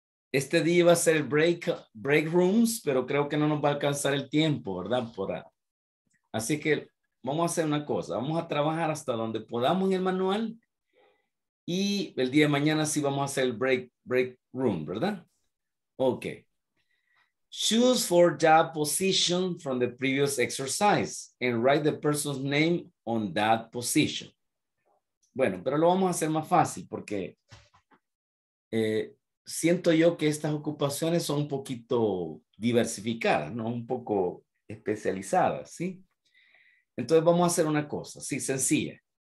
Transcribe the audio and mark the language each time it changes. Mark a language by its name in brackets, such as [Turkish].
[Spanish] Este día va a ser break rooms, pero creo que no nos va a alcanzar el tiempo, ¿verdad? Por, así que vamos a hacer una cosa. Vamos a trabajar hasta donde podamos en el manual. Y el día de mañana sí vamos a hacer el break room, ¿verdad? Ok. [English] Choose for job position from the previous exercise and write the person's name on that position. [Spanish] Bueno, pero lo vamos a hacer más fácil porque siento yo que estas ocupaciones son un poquito diversificadas, ¿no? Un poco especializadas, ¿sí? Entonces vamos a hacer una cosa, sí, sencilla.